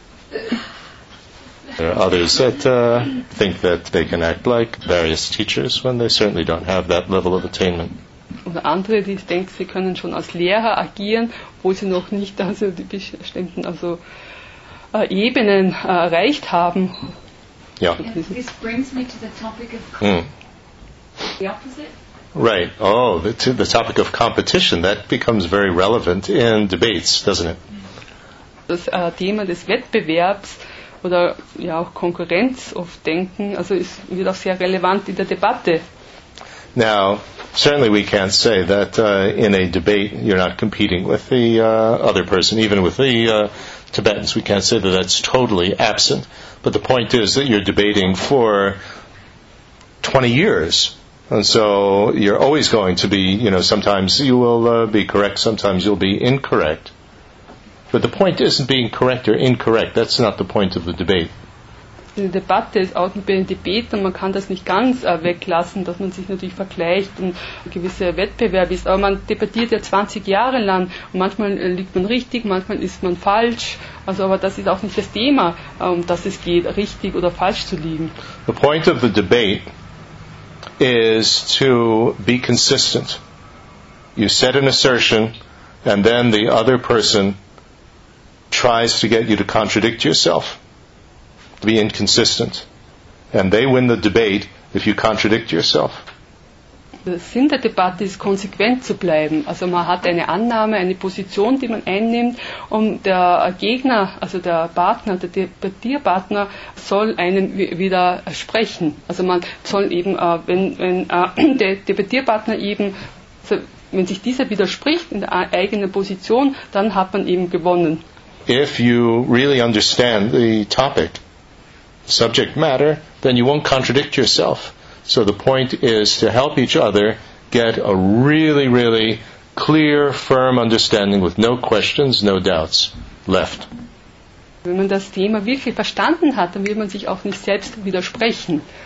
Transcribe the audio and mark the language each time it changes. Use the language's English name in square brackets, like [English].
[English] There are others that think that they can act like various teachers when they certainly don't have that level of attainment. [German] Oder andere, die denken, sie können schon als Lehrer agieren, wo sie noch nicht also die bestimmten Ebenen erreicht haben. Ja. [English] This brings me to the topic of the opposite. Right. Oh, to the topic of competition. That becomes very relevant in debates, doesn't it? [German] Das Thema des Wettbewerbs oder ja auch Konkurrenz oft denken, also ist wird auch sehr relevant in der Debatte. [English] Now, certainly we can't say that in a debate you're not competing with the other person, even with the Tibetans. We can't say that that's totally absent. But the point is that you're debating for 20 years. And so you're always going to be, you know, sometimes you will be correct, sometimes you'll be incorrect. But the point isn't being correct or incorrect. That's not the point of the debate. [German] Eine Debatte ist auch ein Debat und man kann das nicht ganz weglassen, dass man sich natürlich vergleicht und ein gewisser Wettbewerb ist. Aber man debattiert ja 20 Jahre lang und manchmal liegt man richtig, manchmal ist man falsch. Also, aber das ist auch nicht das Thema, um das es geht, richtig oder falsch zu liegen. [English] The point of the debate is to be consistent. You set an assertion and then the other person tries to get you to contradict yourself. Be inconsistent, and they win the debate if you contradict yourself. [German] Der Sinn der Debatte ist, konsequent zu bleiben. Also man hat eine Annahme, eine Position, die man einnimmt, und der Gegner, also der Partner, der Debattierpartner, soll einem widersprechen. Also man soll eben, wenn der Debattierpartner eben, also wenn sich dieser widerspricht in der eigenen Position, dann hat man eben gewonnen. [English] If you really understand the topic, subject matter, then you won't contradict yourself. So the point is to help each other get a really, really clear, firm understanding with no questions, no doubts left. [German] Wenn man das Thema wirklich verstanden hat, dann will man sich auch nicht selbst widersprechen.